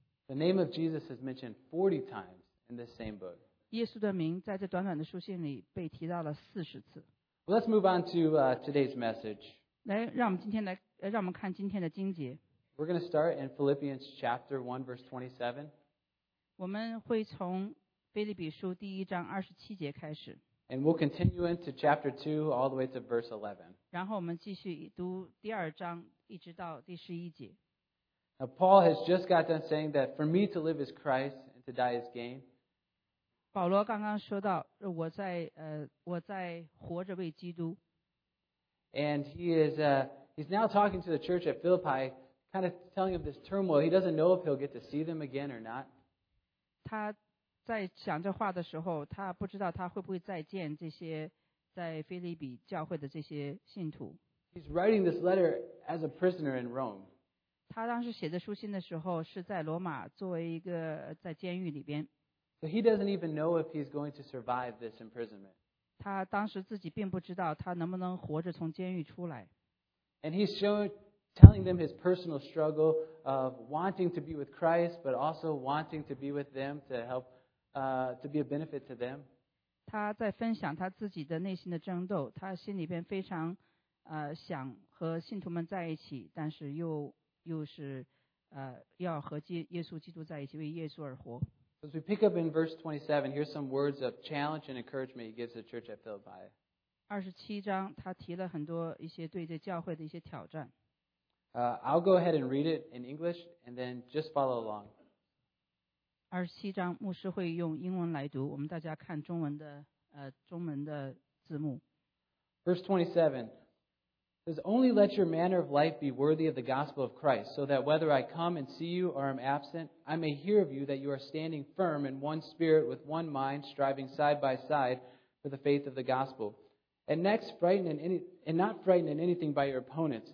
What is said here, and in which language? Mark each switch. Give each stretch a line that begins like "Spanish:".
English: The name of Jesus is mentioned 40 times in this same book.
Chinese: 耶稣的名在这短短的书信里被提到了四十次。
English: Well, let's move on to today's message.
Chinese: 来，让我们今天来，让我们看今天的经节。
English: We're going to start in Philippians chapter 1, verse 27.
Chinese: 我们会从腓立比书第一章二十七节开始。
English: And we'll continue into chapter 2 all the way to verse 11.
Chinese: 然后我们继续读第二章一直到第十一节。
English: Now, Paul has just got done saying that for me to live is Christ and to die is gain.
Chinese: 保罗刚刚说到我在活着为基督。
English: And he's now talking to the church at Philippi, kind of telling him this turmoil. He doesn't know if he'll get to see them again or not.
Chinese: 他在讲这话的时候他不知道他会不会再见这些在腓立比教会的这些信徒。
English: He's writing this letter as a prisoner in Rome.
Chinese: 他当时写的书信的时候是在罗马作为一个在监狱里边。
English: So he doesn't even know if he's going to survive this imprisonment.
Chinese: 他当时自己并不知道他能不能活着从监狱出来。
English: And he's telling them his personal struggle of wanting to be with Christ, but also wanting to be with them to help, to be a benefit to them.
Chinese: 他在分享他自己的内心的争斗，他心里边非常，想和信徒们在一起，但是又是要和耶稣基督在一起为耶稣而活。
English: As we pick up in verse 27, here's some words of challenge and encouragement he gives the church at Philippi.
Chinese: 27章他提了很多一些对这教会的一些挑战。
English: I'll go ahead and read it in English and then just follow along.
Chinese: 27章牧师会用英文来读，我们大家看中文的中文的字幕。
English: Verse 27. Says, only let your manner of life be worthy of the gospel of Christ, so that whether I come and see you or am absent, I may hear of you that you are standing firm in one spirit with one mind, striving side by side for the faith of the gospel. And next, frightened in anything by your opponents.